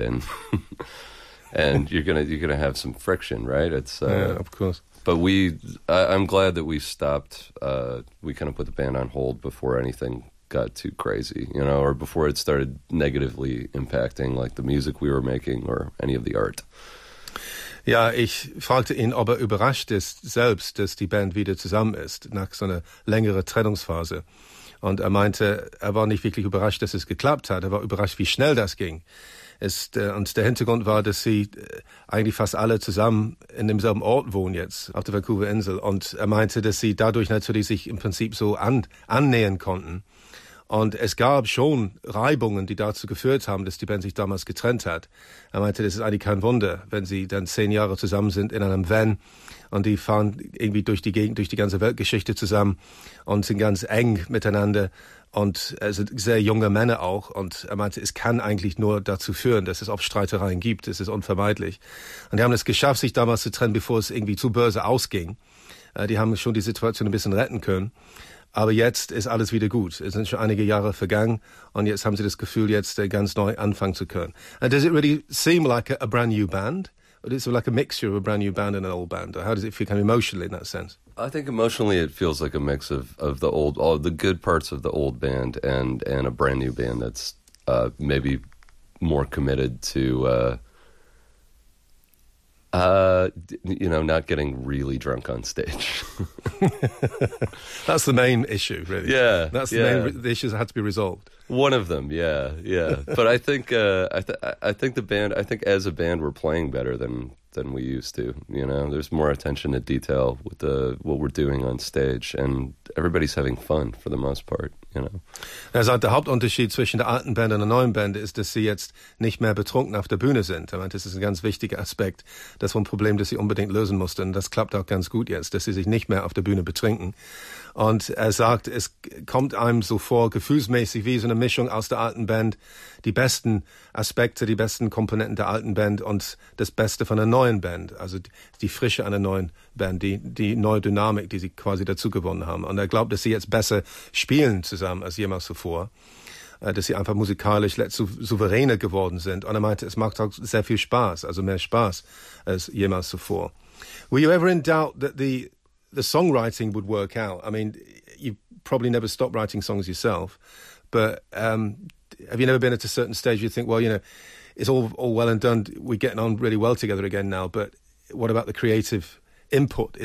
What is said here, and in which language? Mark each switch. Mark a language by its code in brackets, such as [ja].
[en] And and you're gonna have some friction, right? Yeah, of course. But I'm glad that we stopped. We kind of put the band on hold before anything got too crazy, you know, or before it started negatively impacting like the music we were making or any of the art. [de] Ja, ich fragte ihn, ob er überrascht ist selbst, dass die Band wieder zusammen ist nach so einer längeren Trennungsphase. Und er meinte, er war nicht wirklich überrascht, dass es geklappt hat. Er war überrascht, wie schnell das ging. Und der Hintergrund war, dass sie eigentlich fast alle zusammen in demselben Ort wohnen jetzt, auf der Vancouver-Insel. Und er meinte, dass sie dadurch natürlich sich im Prinzip so annähern konnten. Und es gab schon Reibungen, die dazu geführt haben, dass die Band sich damals getrennt hat. Er meinte, das ist eigentlich kein Wunder, wenn sie dann 10 Jahre zusammen sind in einem Van und die fahren irgendwie durch die Gegend, durch die ganze Weltgeschichte zusammen und sind ganz eng miteinander. Und es sind sehr junge Männer auch. Und er meinte, es kann eigentlich nur dazu führen, dass es oft Streitereien gibt. Es ist unvermeidlich. Und die haben es geschafft, sich damals zu trennen, bevor es irgendwie zu böse ausging. Die haben schon die Situation ein bisschen retten können. Aber jetzt ist alles wieder gut. Es sind schon einige Jahre vergangen. Und jetzt haben sie das Gefühl, jetzt ganz neu anfangen zu können. [en] And does it really seem like a brand new band? Or is it like a mixture of a brand new band and an old band? Or how does it feel kind of emotionally in that sense? I think emotionally it feels like a mix of the old, all the good parts of the old band and a brand new band that's maybe more committed to, you know, not getting really drunk on stage. That's the main issue, really. Yeah. That's the main issue that had to be resolved. One of them, yeah. But I think as a band, we're playing better than we used to. You know, there's more attention to detail with the what we're doing on stage, and everybody's having fun for the most part. You know, [de] er sagt, der Hauptunterschied zwischen der alten Band und der neuen Band ist, dass sie jetzt nicht mehr betrunken auf der Bühne sind. Er meint, das ist ein ganz wichtiger Aspekt. Das war ein Problem, das sie unbedingt lösen mussten. Das klappt auch ganz gut jetzt, dass sie sich nicht mehr auf der Bühne betrinken. Und er sagt, es kommt einem so vor, gefühlsmäßig wie so eine Mischung aus der alten Band, die besten Aspekte, die besten Komponenten der alten Band und das Beste von der neuen Band, also die Frische einer neuen Band, die neue Dynamik, die sie quasi dazu gewonnen haben. Und er glaubt, dass sie jetzt besser spielen zusammen als jemals zuvor, dass sie einfach musikalisch souveräner geworden sind. Und er meinte, es macht auch sehr viel Spaß, also mehr Spaß als jemals zuvor. [en] Were you ever in doubt that the songwriting would work out? I mean, you probably never stop writing songs yourself, but have you never been at a certain stage you think, well, you know, it's all well and done, we're getting on really well together again now, but what about the creative input?